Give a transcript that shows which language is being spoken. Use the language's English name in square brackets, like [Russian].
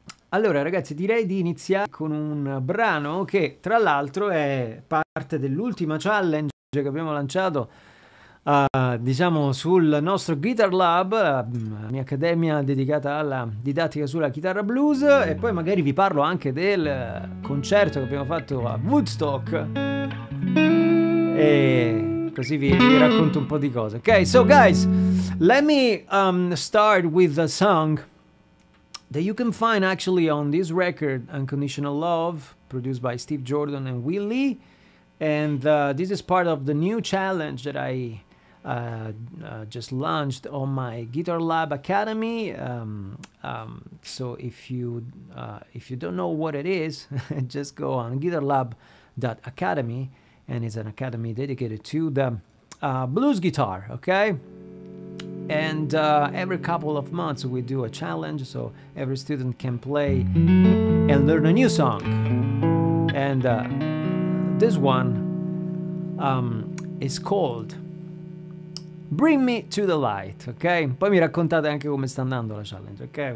[Italian] Allora, ragazzi, direi di iniziare con un brano che, tra l'altro, è parte dell'ultima challenge che abbiamo lanciato, diciamo, sul nostro GuitarLab, la mia accademia dedicata alla didattica sulla chitarra blues, e poi magari vi parlo anche del concerto che abbiamo fatto a Woodstock. E così vi racconto un po' di cose. [English] Okay, so guys, let me start with a song that you can find actually on this record, Unconditional Love, produced by Steve Jordan and Willie. And this is part of the new challenge that I just launched on my Guitar Lab Academy. So if you don't know what it is, just go on guitarlab.academy. And it's an academy dedicated to the blues guitar, okay? And every couple of months we do a challenge so every student can play and learn a new song. And this one is called Bring Me to the Light, okay? [Italian] Poi mi raccontate anche come sta andando la challenge, ok?